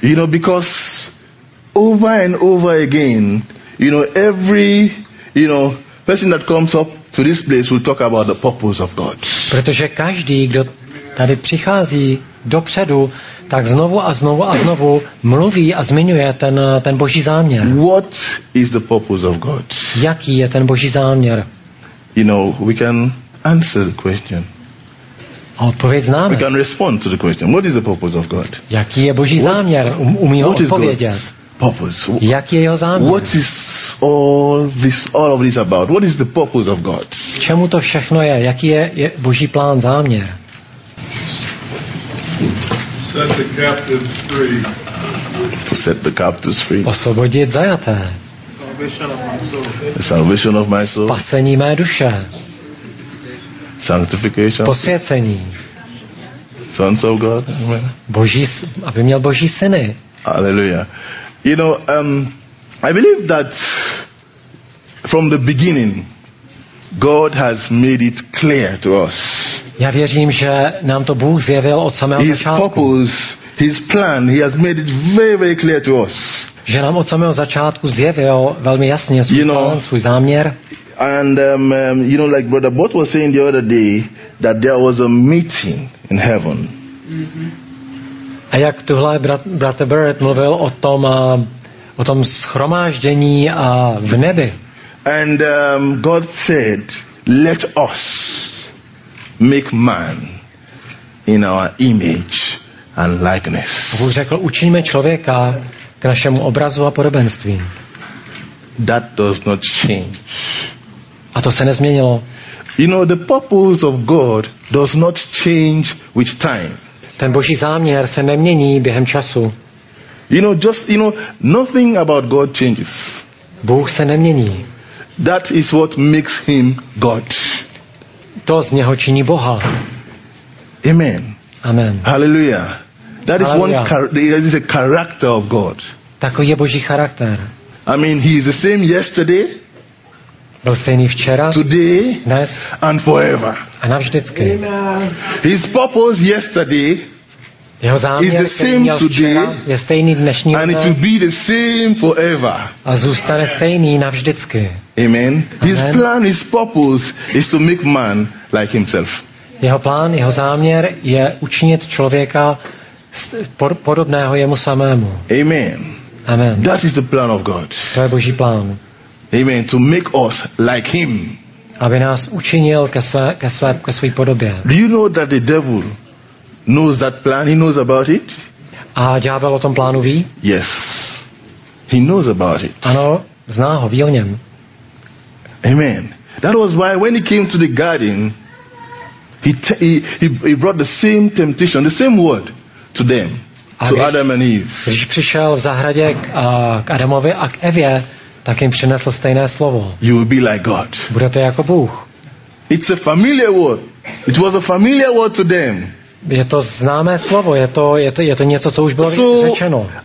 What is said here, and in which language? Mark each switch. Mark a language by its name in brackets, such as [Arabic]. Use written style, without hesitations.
[English] You know, because over and over again, you know, every, you know, person that comes up to this place will talk about the purpose of God. [Czech] Protože každý, kdo tady přichází dopředu, tak znovu a znovu a znovu mluví a zmiňuje ten Boží záměr. [English] What is the purpose of God? [Czech] Jaký je ten Boží záměr? [English] You know, we can answer the question. [Czech] Odpověď známe. [English] We can respond to the question. What is the purpose of God? [Czech] Jaký je Boží záměr? Umí ho odpovědět. [English] Purpose. [Czech] Jaký je jeho záměr? [English] What is all of this about? What is the purpose of God? [Czech] K čemu to všechno je? Jaký je Boží plán, záměr? [English] Set the captives free. To set the captives free. [Czech] Osvobodit zajaté. [English] The salvation of my soul. [Czech] Spasení mé duše. [English] Sanctification. [Czech] Posvěcení. [English] Sons of God. [Czech] Boží, aby měl Boží syny. [English] Hallelujah. You know, I believe that from the beginning God has made it clear to us. [Czech] Já věřím, že nám to Bůh zjevil od samého začátku. [English] His purpose, his plan, he has made it very, very clear to us. [Czech] Že nám od samého začátku zjevil velmi jasně svůj plán, svůj záměr. [English] And you know, like Brother Bot was saying the other day, that there was a meeting in heaven. [Czech] Mm-hmm. A jak tuhle Brother Barrett mluvil o tom shromáždění a v nebi. [English] And God said, let us make man in our image and likeness. [Czech] Bůh řekl, učiníme člověka k našemu obrazu a podobenství. [English] That does not change. [Czech] A to se nezměnilo. [English] You know, the purpose of God does not change with time. [Czech] Ten Boží záměr se nemění během času. [English] You know, just, you know, nothing about God changes. [Czech] Bůh se nemění. [English] That is what makes him God. [Czech] To z něho činí Boha. [English] Amen. Amen. Hallelujah. That is one that is a character of God. [Czech] Takový je Boží charakter. [English] I mean, he is the same yesterday. [Czech] Byl stejný včera, [English] today, [Czech] dnes, [English] and forever. [Czech] A navždycky. [English] His purpose yesterday, [Czech] jeho záměr, [English] is the same today, [Czech] je stejný dnešní, [English] and it will be the same forever. [Czech] A zůstane stejný navždycky. [English] Amen. His plan, his purpose is to make man like himself. [Czech] Jeho plán, jeho záměr je učinit člověka podobného jemu samému. [English] Amen. Amen. That is the plan of God. [Czech] To je Boží plán. [English] Amen. To make us like him. [Czech] Aby nás učinil ke své podobě. [English] Do you know that the devil knows that plan? He knows about it? [Czech] A ďábel o tom plánu ví? [English] Yes. He knows about it. [Czech] Ano, zná ho, ví o něm. [English] Amen. That was why when he came to the garden, he brought the same temptation, the same word to them, to Adam and Eve. [Czech] Když přišel v zahradě k Adamovi a k Evě, tak jim přinesl stejné slovo. [English] You will be like God. [Czech] Budete jako Bůh. [English] It's a familiar word. It was a familiar word to them. [Czech] Je to známé slovo. Je to něco, co už bylo řečeno.